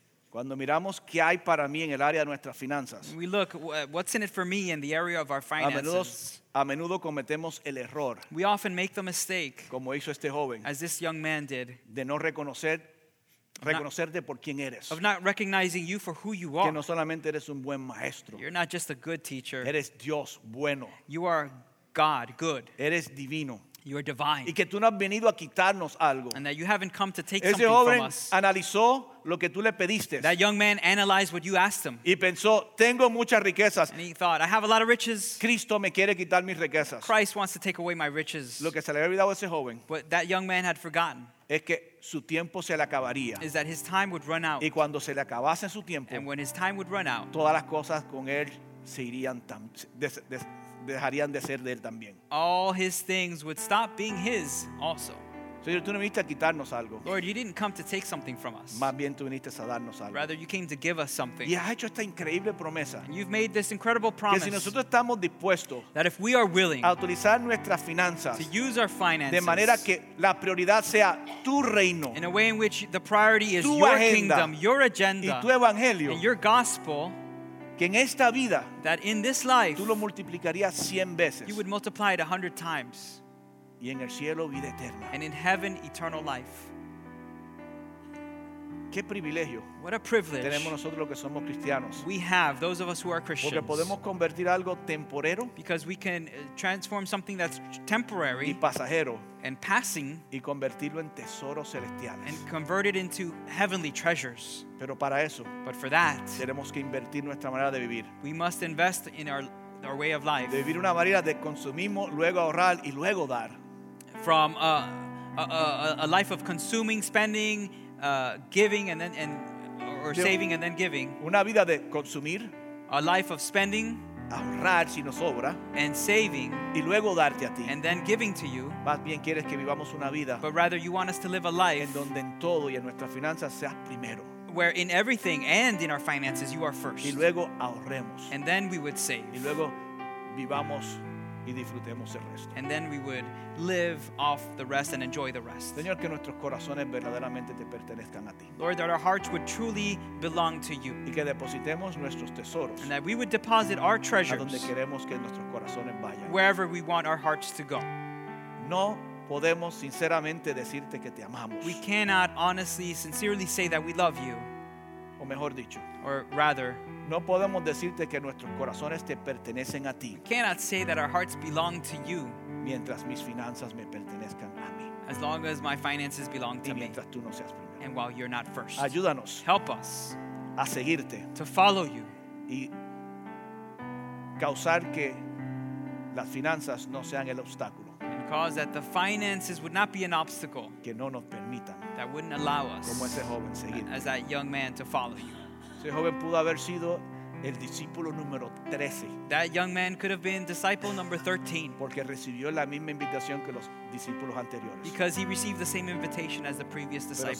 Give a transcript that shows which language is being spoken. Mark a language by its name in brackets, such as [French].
[Spanish] Cuando miramos qué hay para mí en el área de nuestras finanzas. [English] We look what's in it for me in the area of our finances. [Spanish] A menudo cometemos el error. [English] We often make the mistake. [Spanish] Como hizo este joven. [English] As this young man did. [Spanish] De no reconocerte por quién eres. [English] Of not recognizing you for who you are. [Spanish] Que no solamente eres un buen maestro. [English] You're not just a good teacher. [Spanish] Eres Dios bueno. [English] You are God, good. [Spanish] Eres divino. [English] You are divine. [Spanish] Y que tú no has venido a quitarnos algo. [English] And that you haven't come to take [Spanish] ese [English] something [Spanish] joven [English] from us. [Spanish] Analizó lo que tú le pediste. [English] That young man analyzed what you asked him. [Spanish] Y pensó, tengo muchas riquezas. [English] And he thought, I have a lot of riches. [Spanish] Cristo me quiere quitar mis riquezas. [English] Christ wants to take away my riches. [Spanish] Lo que se le había olvidado a ese joven. [English] What that young man had forgotten. [Spanish] Es que su tiempo se le acabaría. [English] Is that his time would run out. [Spanish] Y cuando se le acabase su tiempo. [English] And when his time would run out. [Spanish] Todas las cosas con él se irían dejarían de ser de él también. [English] All his things would stop being his also. [Spanish] Señor, tú no viniste a quitarnos algo. [English] Lord, you didn't come to take something from us. [Spanish] Más bien tú viniste a darnos algo. [English] Rather, you came to give us something. [Spanish] Y has hecho esta increíble promesa. [English] And you've made this incredible promise. [Spanish] Que si nosotros estamos dispuestos. [English] That if we are willing. [Spanish] A utilizar nuestras finanzas. [English] To use our finances. [Spanish] De manera que la prioridad sea tu reino. [English] In a way in which the priority is [Spanish] tu [English] your [Spanish] agenda, [English] kingdom, your agenda. [Spanish] Y tu evangelio. [English] And your gospel. [Spanish] Que en esta vida, [English] that in this life, [Spanish] tú lo multiplicarías 100 veces. [English] You would multiply it 100 times. [Spanish] Y en el cielo, vida eterna. [English] And in heaven, eternal life. [Spanish] Qué privilegio. [English] What a privilege. [Spanish] Tenemos nosotros los que somos cristianos. [English] We have, those of us who are Christians. [Spanish] Porque podemos convertir algo temporero. [English] Because we can transform something that's temporary. [Spanish] Y pasajero. [English] And passing. [Spanish] Y convertirlo en tesoros celestiales. [English] And convert it into heavenly treasures. [Spanish] Pero para eso. [English] But for that. [Spanish] Tenemos que invertir nuestra manera de vivir. [English] We must invest in our our way of life. [Spanish] De vivir una manera de consumimos, luego ahorrar y luego dar. [English] From a life of consuming, spending, giving, and then or saving and then giving. [Spanish] Una vida de consumir. [English] A life of spending. [Spanish] Ahorrar si nos sobra. [English] And saving. [Spanish] Y luego darte a ti. [English] And then giving to you. [Spanish] Más bien quieres que vivamos una vida. [English] But rather you want us to live a life. [Spanish] En donde en todo y en nuestras finanzas seas primero. [English] Where in everything and in our finances you are first. [Spanish] Y luego ahorremos. [English] And then we would save. [Spanish] Y luego vivamos y disfrutemos el resto. [English] And then we would live off the rest and enjoy the rest. [Spanish] Señor, que nuestros corazones verdaderamente te pertenezcan a ti. [English] Lord, that our hearts would truly belong to you. [Spanish] Y que depositemos nuestros tesoros. [English] And that we would deposit our treasures. [Spanish] A donde queremos que nuestros corazones vayan. [English] Wherever we want our hearts to go. [Spanish] No podemos sinceramente decirte que te amamos. [English] We cannot honestly, sincerely say that we love you. [Spanish] O mejor dicho. [English] Or rather. [Spanish] No podemos decirte que nuestros corazones te pertenecen a ti. [English] We cannot say that our hearts belong to you. [Spanish] Mientras mis finanzas me pertenezcan a mí. [English] As long as my finances belong to [Spanish] me. Y mientras tú no seas primero. [English] And while you're not first. [Spanish] Ayúdanos. [English] Help us. [Spanish] A seguirte. [English] To follow you. [Spanish] Y causar que las finanzas no sean el obstáculo. [English] And cause that the finances would not be an obstacle. [Spanish] Que no nos permitan. [English] That wouldn't allow us. [Spanish] Como ese joven seguir. [English] As that young man to follow you. [Spanish] Ese joven pudo haber sido el discípulo número 13. [English] That young man could have been disciple number 13. [Spanish] Porque recibió la misma invitación que los discípulos anteriores. [English] Because he received the same invitation as the previous disciples.